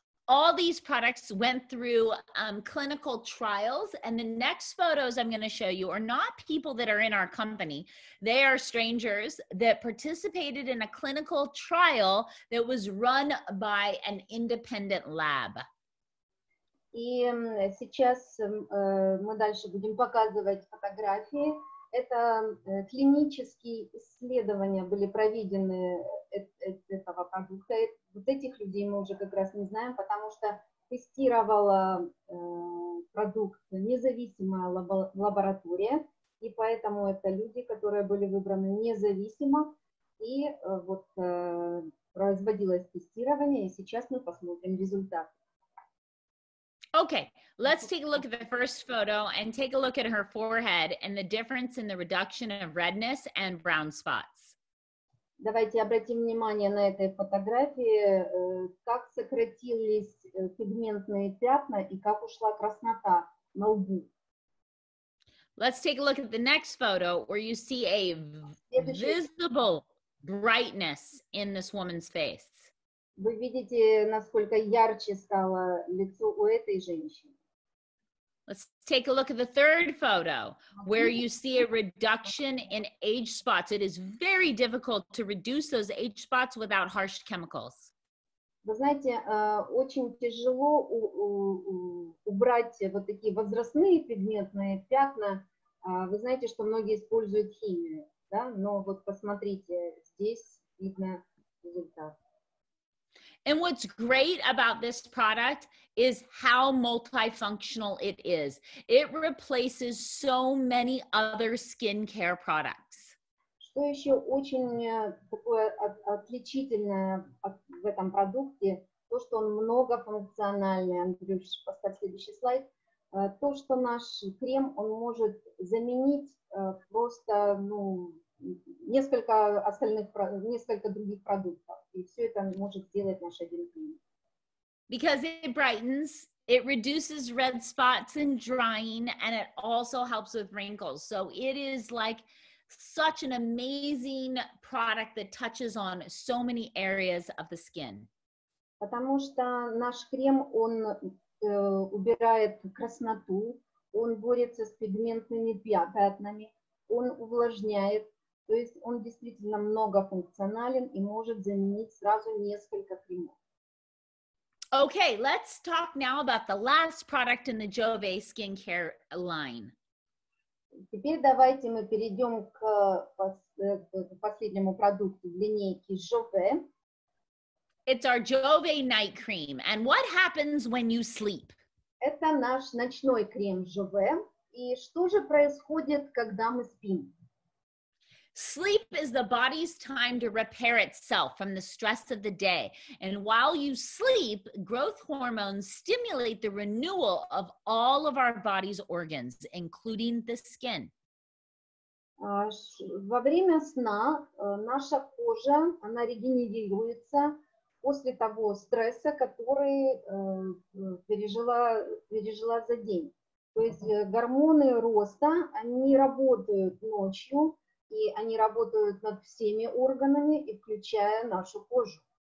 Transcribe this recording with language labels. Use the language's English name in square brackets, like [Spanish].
[English] All these products went through clinical trials, and the next photos I'm going to show you are not people that are in our company. They are strangers that participated in a clinical trial that was run by an independent lab. [Russian] И сейчас мы дальше будем показывать фотографии. Это клинические исследования были проведены этого продукта. Вот этих людей мы уже как раз не знаем, потому что тестировала продукт независимая лаборатория, и поэтому это люди, которые были выбраны независимо, и вот производилось тестирование, и сейчас мы посмотрим результаты. [English] Okay, let's take a look at the first photo and take a look at her forehead and the difference in the reduction of redness and brown spots. [Russian] Давайте обратим внимание на этой фотографии, как сократились пигментные пятна и как ушла краснота на лбу. [English] Let's take a look at the next photo where you see a visible brightness in this woman's face. [Russian] Вы видите, насколько ярче стало лицо у этой женщины. [English] Let's take a look at the third photo, where you see a reduction in age spots. It is very difficult to reduce those age spots without harsh chemicals. [Russian] Вы знаете, очень тяжело убрать вот такие возрастные пигментные пятна. Вы знаете, что многие используют химию. да, но вот посмотрите, здесь видно результат. [English] And what's great about this product is how multifunctional it is. It replaces so many other skincare products. [Russian] Что еще очень такое отличительное в этом продукте, то, что он многофункциональный. Андрюш, поставь следующий слайд. То, что наш крем, он может заменить просто, ну, несколько остальных, несколько других продуктов. И все это может сделать наш один крем. [English] Because it brightens, it reduces red spots and drying, and it also helps with wrinkles. So it is like such an amazing product that touches on so many areas of the skin. [Russian] Потому что наш крем, он убирает красноту, он борется с пигментными пятнами, он увлажняет, то есть он действительно многофункционален и может заменить сразу несколько кремов. [English] Okay, let's talk now about the last product in the Jouve skincare line. [Russian] Теперь давайте мы перейдем к последнему продукту в линейке Jouve. [English] It's our Jouve night cream. And what happens when you sleep? [Russian] Это наш ночной крем Jouve. И что же происходит, когда мы спим? [English] Sleep is the body's time to repair itself from the stress of the day. And while you sleep, growth hormones stimulate the renewal of all of our body's organs, including the skin. [Russian] Во время сна наша кожа, она регенерируется после того стресса, который пережила за день. То есть гормоны роста, они работают ночью, и они работают над всеми органами, и включая нашу кожу.